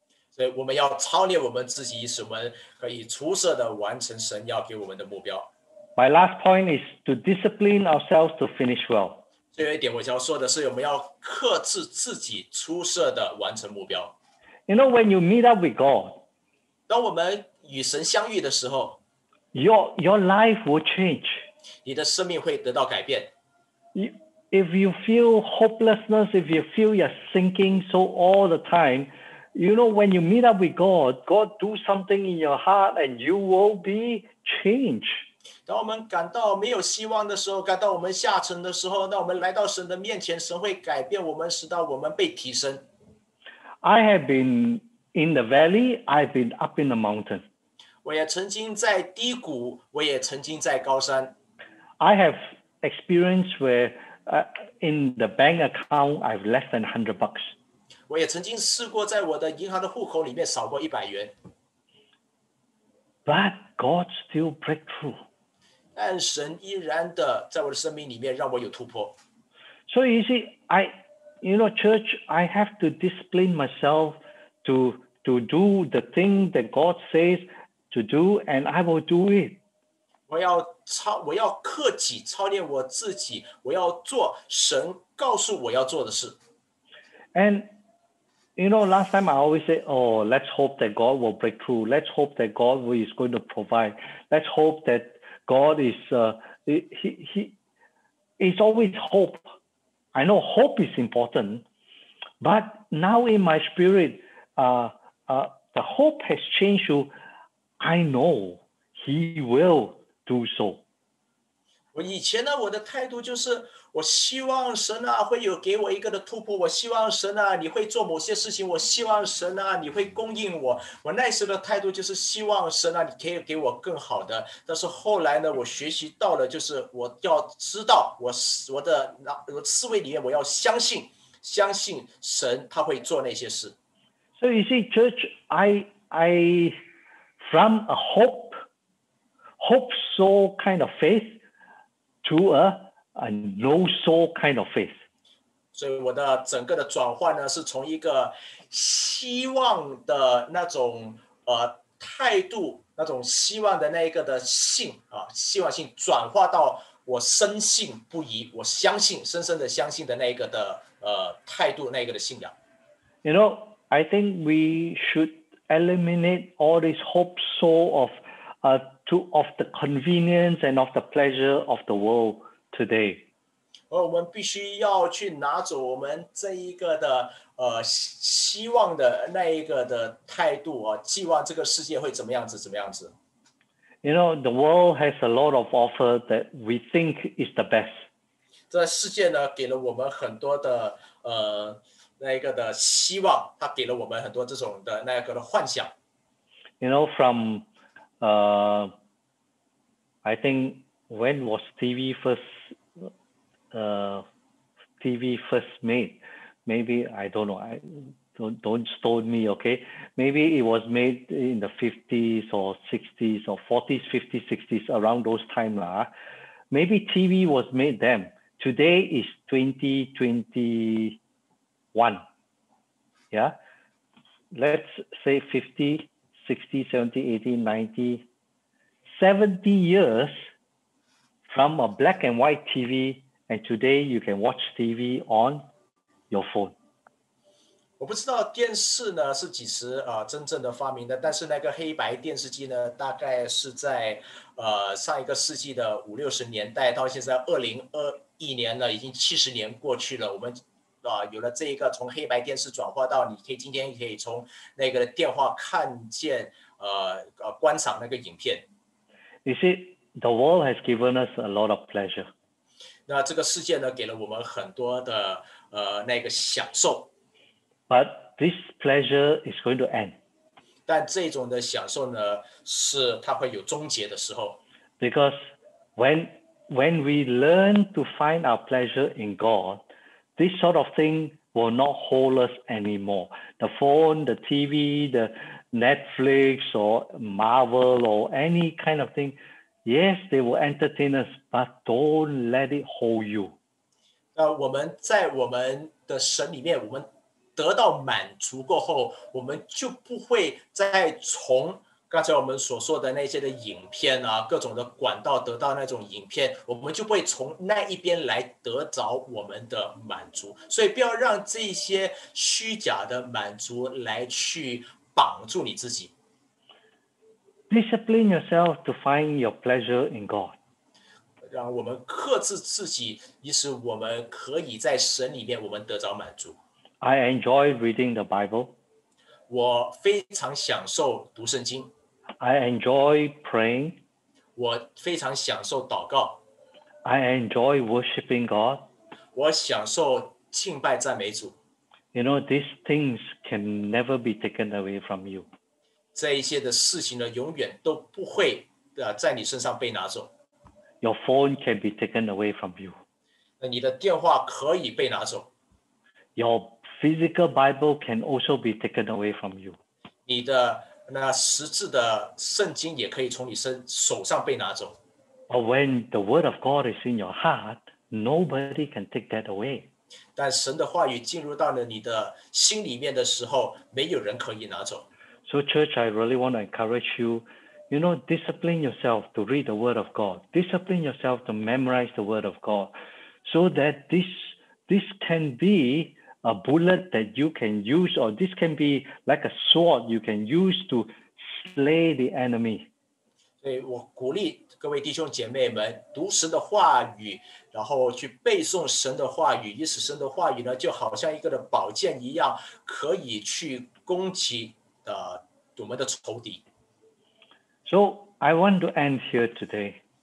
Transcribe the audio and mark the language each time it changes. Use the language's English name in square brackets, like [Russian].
[Chinese] 所以我们要操练我们自己，使我们可以出色的完成神要给我们的目标。 [English] My last point is to discipline ourselves to finish well. [Chinese] 最后一点我想要说的是，我们要克制自己，出色的完成目标。 [English] You know, when you meet up with God, [Chinese] 当我们与神相遇的时候, [English] your life will change. [Chinese] 你的生命会得到改变。 [English] If you feel hopelessness, if you feel you're sinking so all the time, you know, when you meet up with God, God do something in your heart and you will be changed. [Chinese] 当我们感到没有希望的时候，感到我们下沉的时候，那我们来到神的面前，神会改变我们，使到我们被提升。 [English] I have been in the valley, I've been up in the mountain. [Chinese] 我也曾经在低谷，我也曾经在高山。 [English] I have experienced where in the bank account, I've less than $100. [Chinese] 我也曾经试过在我的银行的户口里面少过100元。 [English] But God still breakthrough. [Chinese] 但神依然的在我的生命里面让我有突破。 [English] So you see, you know, church, I have to discipline myself to do the thing that God says to do, and I will do it. [Chinese] 我要克己，操练我自己，我要做神告诉我要做的事。 [English] And, you know, last time I always say, oh, let's hope that God will break through. Let's hope that God is going to provide. Let's hope that God is, it's always hope. I know hope is important, but now in my spirit, the hope has changed to, I know he will do so. [Chinese] 我以前呢，我的态度就是，我希望神啊，会有给我一个的突破，我希望神啊，你会做某些事情，我希望神啊，你会供应我。我那时的态度就是希望神啊，你可以给我更好的。但是后来呢，我学习到了，就是我要知道我的思维里面，我要相信神他会做那些事。 [English] So you see, church, I from a hope so kind of faith. To a no soul kind of faith. [Chinese] 所以我的整个的转换呢，是从一个希望的那种态度，那种希望的那一个的信啊，希望性转化到我深信不疑，我相信，深深的相信的那一个的态度，那一个的信仰。 [English] You know, I think we should eliminate all this hope soul of. Of the convenience and of the pleasure of the world today. [Chinese] 而我们必须要去拿走我们这一个的希望的那一个的态度啊，寄望这个世界会怎么样子怎么样子。 [English] You know, the world has a lot of offer that we think is the best. [Chinese] 这世界呢，给了我们很多的那一个的希望，它给了我们很多这种的那一个的幻想。 [English] You know, from I think when was TV first made? Maybe I don't know. Don't stone me, okay? Maybe it was made in the 50s or 60s or 40s, 50s, 60s, around those time. Maybe TV was made then. Today is 2021. Yeah? Let's say 50, 60, 70, 80, 90. 70 years from a black and white TV, and today you can watch TV on your phone. [Chinese] 我不知道电视呢是几时真正的发明的，但是那个黑白电视机呢，大概是在上一个世纪的五六十年代，到现在2021年呢，已经70年过去了。我们有了这一个从黑白电视转化到，你可以今天可以从那个电话看见观赏那个影片。 [English] You see, the world has given us a lot of pleasure. [Chinese] 那这个世界呢，给了我们很多的那个享受。 [English] But this pleasure is going to end. [Chinese] 但这种的享受呢，是它会有终结的时候。 [English] Because when we learn to find our pleasure in God, this sort of thing will not hold us anymore. The phone, the TV, the... Netflix or Marvel or any kind of thing, yes, they will entertain us, but don't let it hold you. [Chinese] 我们在我们的神里面，我们得到满足过后，我们就不会再从刚才我们所说的那些的影片啊，各种的管道得到那种影片，我们就会从那一边来得着我们的满足。所以不要让这些虚假的满足来去绑住你自己。 [English] Discipline yourself to find your pleasure in God. [Chinese] 让我们克制自己，以使我们可以在神里面我们得着满足。 [English] I enjoy reading the Bible. [Chinese] 我非常享受读圣经。 [English] I enjoy praying. [Chinese] 我非常享受祷告。 [English] I enjoy worshiping God. [Chinese] 我享受敬拜赞美主。 [English] You know, these things can never be taken away from you. [Chinese] 这一些的事情呢，永远都不会在你身上被拿走。 [English] Your phone can be taken away from you. [Chinese] 那你的电话可以被拿走。 [English] Your physical Bible can also be taken away from you. [Chinese] 你的那实质的圣经也可以从你手上被拿走。 [English] But when the word of God is in your heart, nobody can take that away. [Chinese] 但神的话语进入到了你的心里面的时候，没有人可以拿走。 [English] So church, I really want to encourage you, you know, discipline yourself to read the word of God. Discipline yourself to memorize the word of God. So that this can be a bullet that you can use, or this can be like a sword you can use to slay the enemy. [Chinese] 所以我鼓励各位弟兄姐妹们读神的话语，然后去背诵神的话语，以使神的话语呢就好像一个的宝剑一样，可以去攻击我们的仇敌。 [English] So I want to end here today.